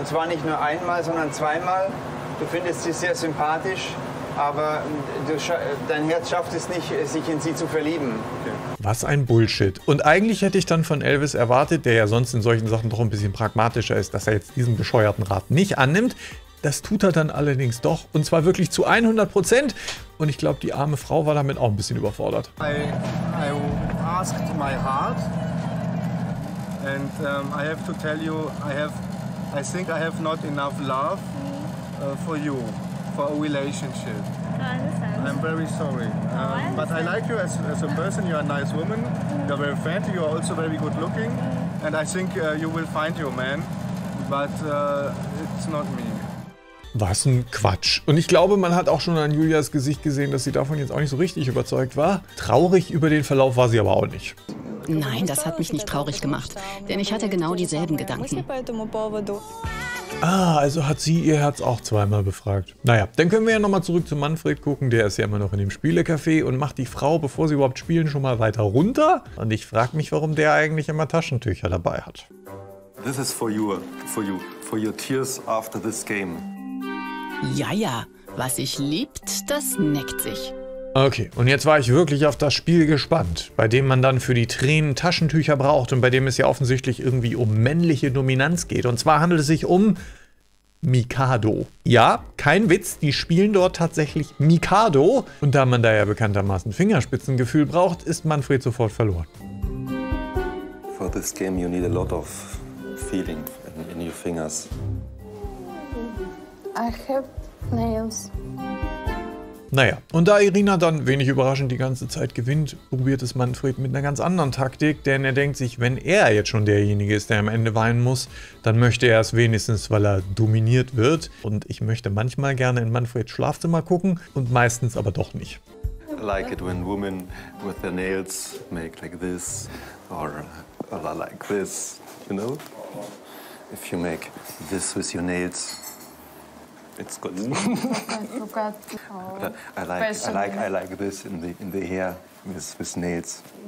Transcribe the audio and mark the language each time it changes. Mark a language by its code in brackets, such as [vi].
[de] Und zwar nicht nur einmal, sondern 2-mal. Du findest sie sehr sympathisch, aber dein Herz schafft es nicht, sich in sie zu verlieben. Okay. Was ein Bullshit. Und eigentlich hätte ich dann von Elvis erwartet, der ja sonst in solchen Sachen doch ein bisschen pragmatischer ist, dass er jetzt diesen bescheuerten Rat nicht annimmt. Das tut er dann allerdings doch, und zwar wirklich zu 100%. Und ich glaube, die arme Frau war damit auch ein bisschen überfordert. [en] I asked my heart and I have to tell you, I think I have not enough love for you, for a relationship. I'm very sorry, but I like you as a person. You're a nice woman. You're very friendly. You're also very good looking, and I think you will find your man. But it's not me. [de] Was ein Quatsch. Und ich glaube, man hat auch schon an Julias Gesicht gesehen, dass sie davon jetzt auch nicht so richtig überzeugt war. Traurig über den Verlauf war sie aber auch nicht. Nein, das hat mich nicht traurig gemacht, denn ich hatte genau dieselben Gedanken. Ah, also hat sie ihr Herz auch zweimal befragt. Naja, dann können wir ja nochmal zurück zu Manfred gucken. Der ist ja immer noch in dem Spielecafé und macht die Frau, bevor sie überhaupt spielen, schon mal weiter runter. Und ich frage mich, warum der eigentlich immer Taschentücher dabei hat. [en] This is for your tears after this game. [de] Jaja, was sich liebt, das neckt sich. Okay, und jetzt war ich wirklich auf das Spiel gespannt, bei dem man dann für die Tränen Taschentücher braucht und bei dem es ja offensichtlich irgendwie um männliche Dominanz geht. Und zwar handelt es sich um Mikado. Ja, kein Witz, die spielen dort tatsächlich Mikado. Und da man da ja bekanntermaßen Fingerspitzengefühl braucht, ist Manfred sofort verloren. [en] For this game you need a lot of feeling in your fingers. I have nails. [de] Naja, und da Irina dann wenig überraschend die ganze Zeit gewinnt, probiert es Manfred mit einer ganz anderen Taktik, denn er denkt sich, wenn er jetzt schon derjenige ist, der am Ende weinen muss, dann möchte er es wenigstens, weil er dominiert wird. Und ich möchte manchmal gerne in Manfreds Schlafzimmer gucken und meistens aber doch nicht. [en] I like it when women with their nails make like this or like this, you know? If you make this with your nails, it's good. I like this in the hair with nails.